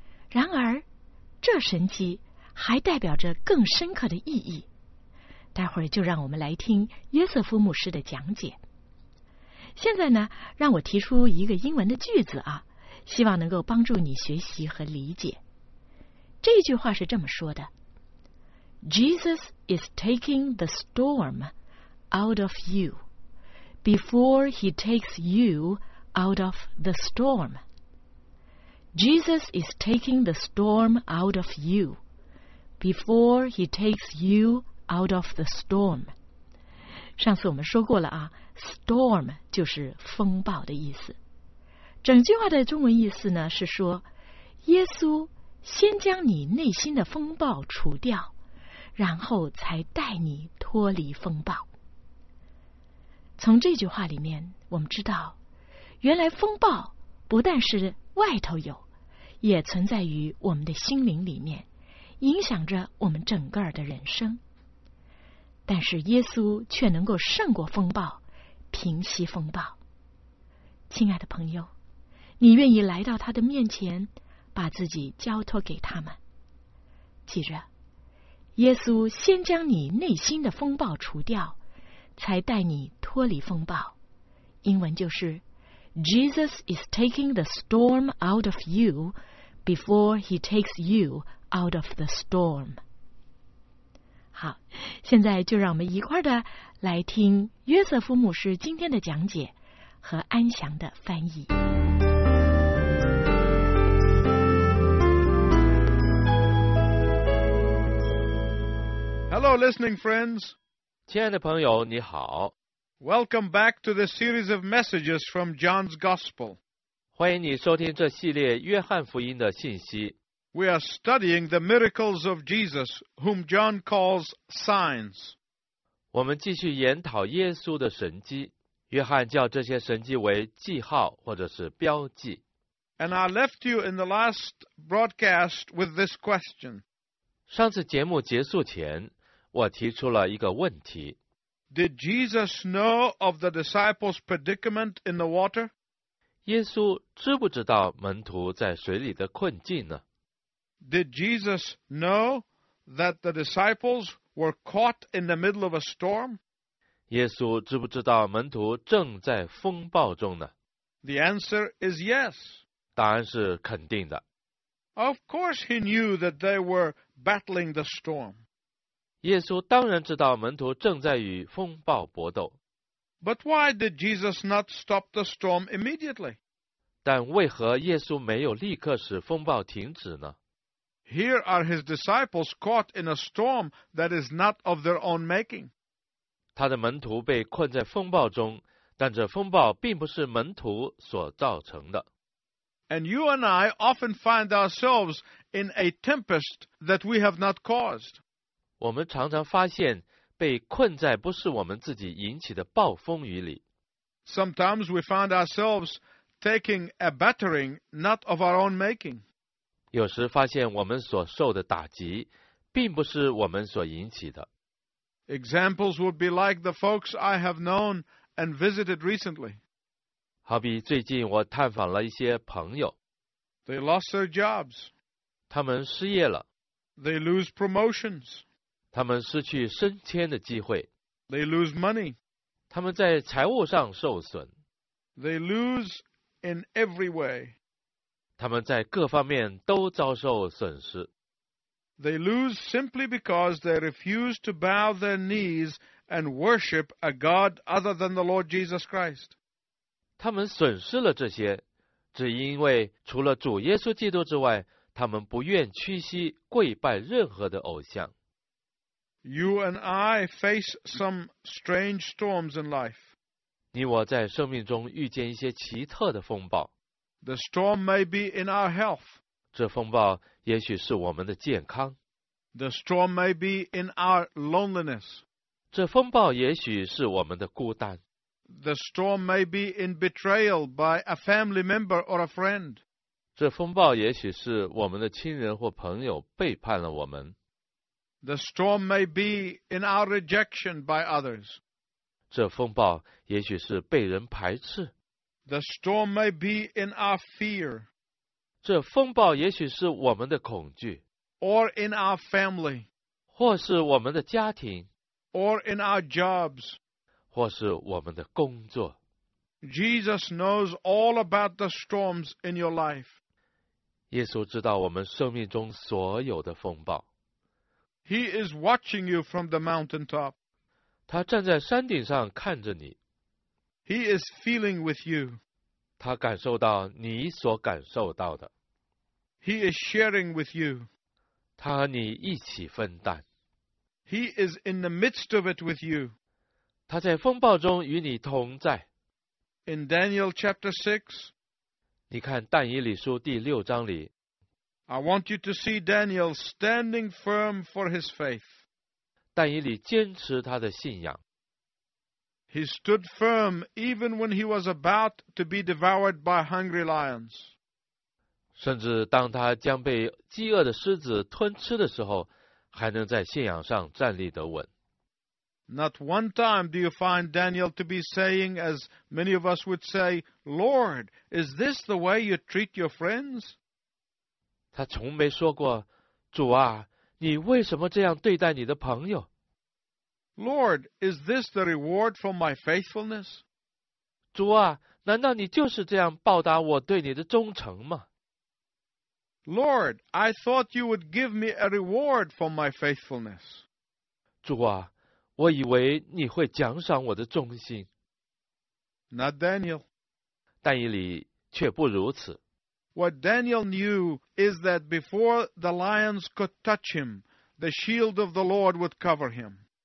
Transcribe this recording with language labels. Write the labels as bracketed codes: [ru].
[zh] 然而这神迹还代表着更深刻的意义，待会儿就让我们来听约瑟夫牧师的讲解。现在呢，让我提出一个英文的句子啊，希望能够帮助你学习和理解。这句话是这么说的， [en] Jesus is taking the storm out of you before he takes you out of the storm. Jesus is taking the storm out of you before he takes you out of the storm. [zh] 上次我们说过了啊， storm 就是风暴的意思。整句话的中文意思呢，是说耶稣先将你内心的风暴除掉，然后才带你脱离风暴。从这句话里面我们知道，原来风暴不但是外头有，也存在于我们的心灵里面，影响着我们整个的人生。但是耶稣却能够胜过风暴，平息风暴。亲爱的朋友，你愿意来到他的面前，把自己交托给他吗？记着，耶稣先将你内心的风暴除掉，才带你脱离风暴。英文就是 [en] Jesus is taking the storm out of you before he takes you out of the storm。 [zh] 好，现在就让我们一块儿的来听约瑟夫牧师今天的讲解和安详的翻译。 [en] Hello, listening friends. [zh] 亲爱的朋友，你好。 [en] Welcome back to the series of messages from John's Gospel. [zh] 欢迎你收听这系列约翰福音的信息。 [en] We are studying the miracles of Jesus, whom John calls signs. [zh] 我们继续研讨耶稣的神迹，约翰叫这些神迹为记号或者是标记。 [en] And I left you in the last broadcast with this question. [zh] 上次节目结束前，我提出了一个问题。 [en] Did Jesus know of the disciples' predicament in the water? [zh] 耶稣知不知道门徒在水里的困境呢？ [en] Did Jesus know that the disciples were caught in the middle of a storm? [zh] 耶稣知不知道门徒正在风暴中呢？ [en] The answer is yes. [zh] 答案是肯定的。 [en] Of course he knew that they were battling the storm. [zh] 耶稣当然知道门徒正在与风暴搏斗。 [en] But why did Jesus not stop the storm immediately? [zh] 但为何耶稣没有立刻使风暴停止呢？ [en] Here are his disciples caught in a storm that is not of their own making. [zh] 他的门徒被困在风暴中，但这风暴并不是门徒所造成的。 [en] And you and I often find ourselves in a tempest that we have not caused. [zh] 我们常常发现被困在不是我们自己引起的暴风雨里。 [en] Sometimes we find ourselves taking a battering not of our own making. [zh] 有时发现我们所受的打击并不是我们所引起的。 [en] Examples would be like the folks I have known and visited recently. [zh] 好比最近我探访了一些朋友。 [en] They lost their jobs. [zh] 他们失业了。 [en] They lose promotions. [zh] 他们失去升迁的机会。 [en] They lose money. [zh] 他们在财务上受损。 [en] They lose in every way. [zh] 他们在各方面都遭受损失。 [en] They lose simply because they refuse to bow their knees and worship a God other than the Lord Jesus Christ. [zh] 他们损失了这些，只因为除了主耶稣基督之外，他们不愿屈膝跪拜任何的偶像。 [en] You and I face some strange storms in life. [zh] 你我在生命中遇见一些奇特的风暴。 [en] The storm may be in our health. [zh] 这风暴也许是我们的健康。 [en] The storm may be in our loneliness. [zh] 这风暴也许是我们的孤单。 [en] The storm may be in betrayal by a family member or a friend. [zh] 这风暴也许是我们的亲人或朋友背叛了我们。 [en] The storm may be in our rejection by others. [zh] 这风暴也许是被人排斥。 [en] The storm may be in our fear. [zh] 这风暴也许是我们的恐惧。 [en] Or in our family. [zh] 或是我们的家庭。 [en] Or in our jobs. [zh] 或是我们的工作。 [en] Jesus knows all about the storms in your life. [zh] 耶稣知道我们生命中所有的风暴。 [en] He is watching you from the mountaintop. [zh] 他站在山顶上看着你。 [en] He is feeling with you. [zh] 他感受到你所感受到的。 [en] He is sharing with you. [zh] 他和你一起分担。 [en] He is in the midst of it with you. [zh] 他在风暴中与你同在。 [en] In Daniel chapter 6, [zh] 你看但以理书第六章里。 [en] I want you to see Daniel standing firm for his faith. [zh] 但以理坚持他的信仰。 [en] He stood firm even when he was about to be devoured by hungry lions. [zh] 甚至当他将被饥饿的狮子吞吃的时候，还能在信仰上站立得稳。 [en] Not one time do you find Daniel to be saying, as many of us would say, Lord, is this the way you treat your friends? [zh] 他从没说过，主啊，你为什么这样对待你的朋友？ [en] Lord, is this the reward for my faithfulness? [zh] 主啊，难道你就是这样报答我对你的忠诚吗？ [en] Lord, I thought you would give me a reward for my faithfulness. [zh] 主啊，我以为你会奖赏我的忠心。 [en] Not Daniel. [zh] 但以理却不如此。 [en] What Daniel knew is that before the lions could touch him, the shield of the Lord would cover him.